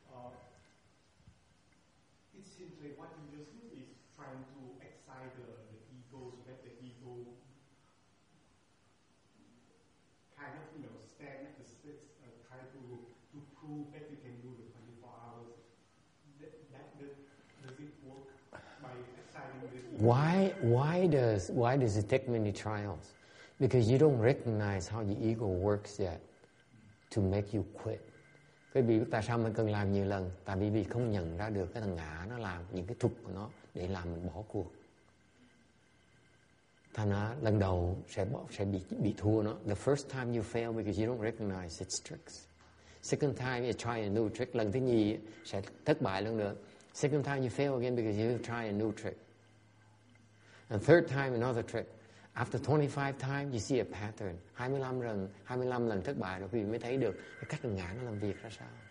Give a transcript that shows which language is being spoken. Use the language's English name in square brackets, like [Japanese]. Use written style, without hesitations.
[English] It seems like what you just do is trying to excite the ego, so let the ego kind of, you know, stand at the steps, try to prove that you can do the 24 hours. Does it work by exciting the ego? Why does it take many trials? Because you don't recognize how your ego works yet. To make you quit. [Vietnamese] Quý vị biết tại sao mình cần làm nhiều lần? Tại vì mình không nhận ra được cái thằng ngã nó làm, những cái thuật của nó để làm mình bỏ cuộc. Thành ra lần đầu sẽ bị thua nó. [English] The first time you fail because you don't recognize its tricks. Second time you try a new trick. [Vietnamese] Lần thứ nhì sẽ thất bại lần nữa. [English] Second time you fail again because you try a new trick. And third time another trick. After 25 times, you see a pattern. [Vietnamese] 25 lần thất bại rồi, quý vị mới thấy được cái cách ngã nó làm việc ra sao.